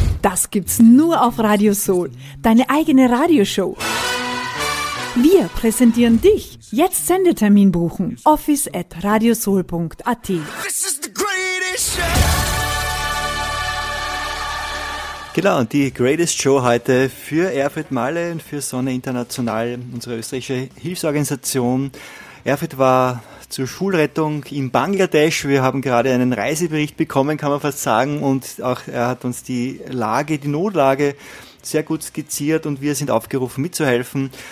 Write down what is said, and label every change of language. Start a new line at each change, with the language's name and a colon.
German: Das gibt's nur auf Radio Soul. Deine eigene Radioshow. Wir präsentieren dich. Jetzt Sendetermin buchen. office@radiosoul.at.
English: This is the greatest show.
German: Genau, und die Greatest Show heute für Erfurt Malle und für Sonne International, unsere österreichische Hilfsorganisation. Erfurt war zur Schulrettung in Bangladesch. Wir haben gerade einen Reisebericht bekommen, kann man fast sagen. Und auch er hat uns die Lage, die Notlage sehr gut skizziert und wir sind aufgerufen mitzuhelfen.